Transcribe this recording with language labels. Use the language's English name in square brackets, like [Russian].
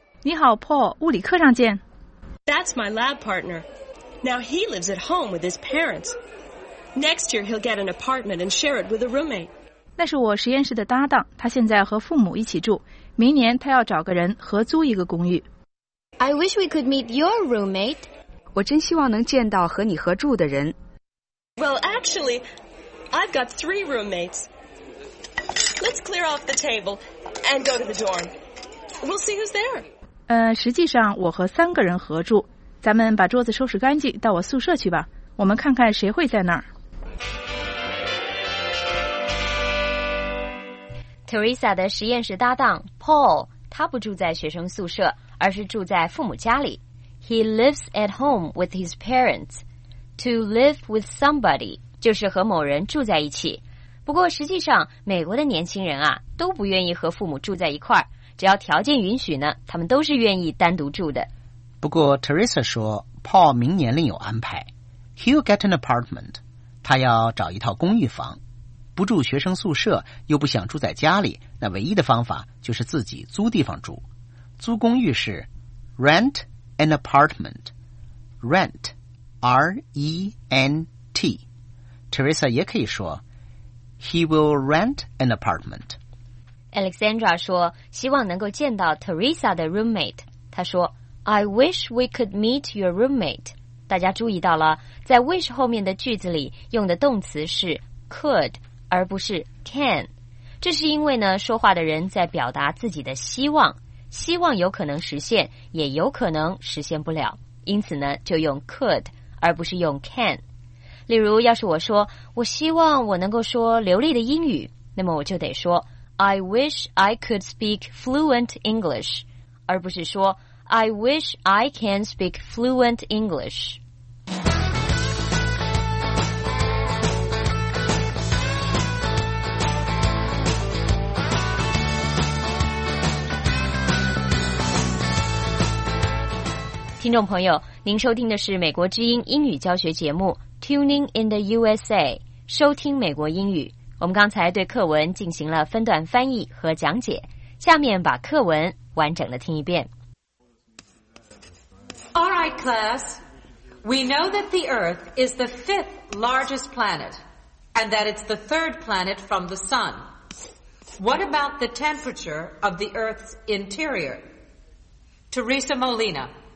[Chinese] 你好 ，Paul， 物理课上见。 [English] That's my lab partner. Now he lives at home with his parents. Next year he'll get an apartment and share it with a roommate. [Chinese] 那是我实验室的搭档，他现在和父母一起住。明年他要找个人合租一个公寓。 [English] I wish we could meet your roommate. [Chinese] 我真希望能见到和你合住的人。 [English] Well, actually, I've got three roommates. Let's clear off the table and go to the dorm. We'll see who's there. [Chinese] 实际上我和三个人合住，咱们把桌子收拾干净，到我宿舍去吧。我们看看谁会在那儿。 Teresa 的实验室搭档 Paul， 他不住在学生宿舍，而是住在父母家里。 [English] He lives at home with his parents. To live with somebody [Chinese] 就是和某人住在一起。不过实际上美国的年轻人啊都不愿意和父母住在一块儿，只要条件允许呢，他们都是愿意单独住的。不过 Teresa 说 Paul 明年另有安排。 [English] He'll get an apartment. [Chinese] 他要找一套公寓房。不住学生宿舍又不想住在家里，那唯一的方法就是自己租地方住。租公寓是 [English] rentAn apartment, rent, R-E-N-T. [Chinese] Teresa 也可以说 , [English] He will rent an apartment. [Chinese] Alexandra 说希望能够见到 Teresa 的 roommate. 她说 , [English] I wish we could meet your roommate. [Chinese] 大家注意到了，在 wish 后面的句子里用的动词是 could, 而不是 can. 这是因为呢，说话的人在表达自己的希望。希望有可能实现，也有可能实现不了，因此呢，就用 could 而不是用 can。例如要是我说我希望我能够说流利的英语，那么我就得说 [English] I wish I could speak fluent English， [Chinese] 而不是说 [English] I wish I can speak fluent English。 [Chinese] 听众朋友，您收听的是美国之音英语教学节目 Tuning in the USA， 收听美国英语。我们刚才对课文进行了分段翻译和讲解，下面把课文完整的听一遍。 [English] All right, class. We know that the Earth is the fifth largest planet and that it's the third planet from the sun. What about the temperature of the Earth's interior? Teresa Molina.